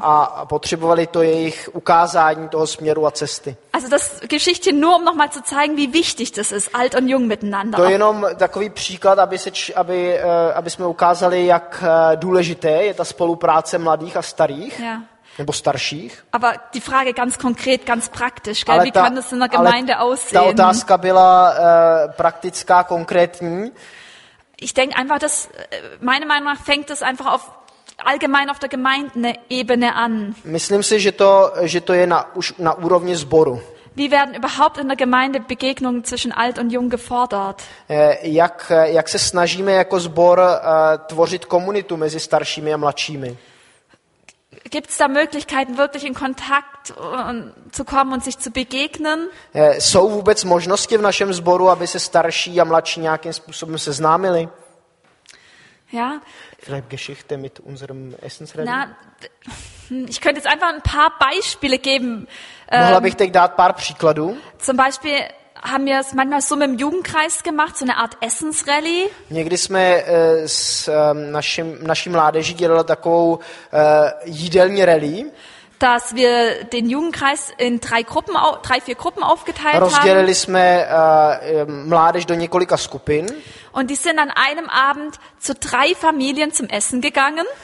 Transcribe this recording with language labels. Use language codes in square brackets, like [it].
[cs] A potřebovali to jejich ukázání toho směru a cesty. [de] Also das Geschichte nur um noch mal zu zeigen, wie wichtig das ist, alt und jung miteinander. [cs] To je jenom takový příklad, aby jsme ukázali, jak důležité je ta spolupráce mladých a starých. [de] Ja. [cs] Nebo starších. [de] Aber die Frage ganz konkret, ganz praktisch, gell? Wie kann das in der Gemeinde aussehen? [cs] Ta otázka byla praktická, konkrétní. [de] Ich denke einfach, dass meiner Meinung nach fängt es einfach auf allgemein auf der Gemeindeebene an. [cs] Myslím si, že to je na úrovni sboru. [de] Wie werden überhaupt in der Gemeinde Begegnungen zwischen alt und jung gefordert? [cs] Jak se snažíme jako sbor tvořit komunitu mezi staršími a mladšími? [de] Gibt es da Möglichkeiten, wirklich in Kontakt zu kommen und sich zu begegnen? [cs] Jsou vůbec možnosti v našem sboru, aby se starší a mladší nějakým způsobem seznámili? [de] Ja. Vielleicht Geschichte mit unserem Essensreden. Na, ich könnte jetzt einfach ein paar Beispiele geben. [cs] Mohla bych teď dát pár příkladů. [de] Zum Beispiel haben wir es manchmal so mit dem Jugendkreis gemacht, so eine Art Essensrally. [cs] Někdy jsme s naší mládeží dělali takovou jídelní rally. [de] Dass wir den Jugendkreis in drei, vier Gruppen aufgeteilt haben. [cs] Rozdělili jsme mládež do několika skupin. [de] Und die sind an einem Abend zu drei Familien zum Essen gegangen.